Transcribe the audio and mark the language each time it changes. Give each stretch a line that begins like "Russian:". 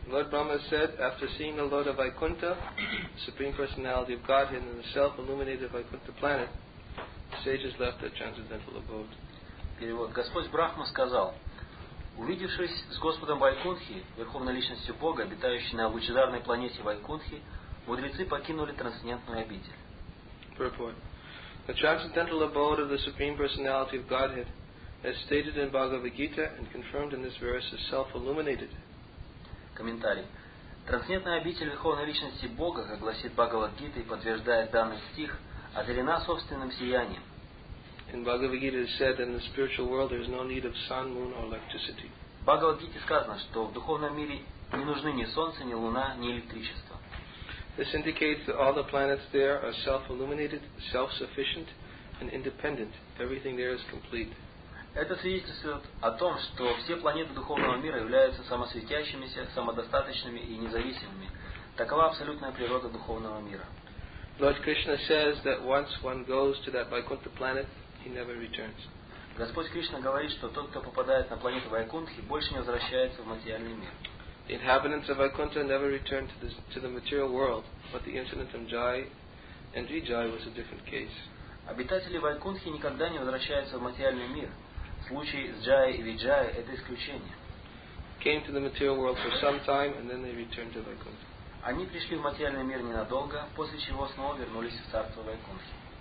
English: Lord Brahma said, after seeing the Lord of Vaikuntha, Supreme Personality of Godhead and the Self illuminated Vaikuntha planet, the sages left their transcendental abode.
Russian: Перевод. Господь Брахма сказал, увидевшись с Господом Вайкунтхи, Верховной Личностью Бога, обитающей на лучезарной планете Вайкунтхи, мудрецы покинули трансцендентную обитель.
English: Purport. The transcendental abode of the Supreme Personality of Godhead, as stated in Bhagavad Gita and confirmed in this verse, is self-illuminated.
Russian: Комментарий. Трансцендентная обитель Верховной Личности Бога, как гласит Бхагавад Гита и подтверждает данный стих, озарена собственным сиянием.
English: In Bhagavad Gita it is said that in the spiritual world there is no need of sun, moon or electricity.
Russian: В Бхагавад Гите сказано, что в духовном мире не нужны ни солнце, ни луна, ни электричество.
English: This indicates that all the planets there are self-illuminated, self-sufficient and independent. Everything there is complete.
Russian: Это свидетельствует о том, что все планеты духовного мира являются самосветящимися, самодостаточными и независимыми. Такова абсолютная природа духовного мира.
English: Lord Krishna says that once one goes to that Vaikuntha planet, he never returns.
Russian: Господь Кришна говорит, что тот, кто попадает на планету Вайкунтхи, больше не возвращается в материальный мир.
English: The inhabitants of Vaikuntha never return to the material world, but the incident of Jai and Vijay was a different case.
Russian: Обитатели Вайкунтхи никогда не возвращаются в материальный мир. Случай с Джайей и Виджайей – это исключение.
English: Came to the material world for some time, and then they returned to Vaikuntha.
Russian: Они пришли в материальный мир ненадолго, после чего снова вернулись в царство Вайкунтхи.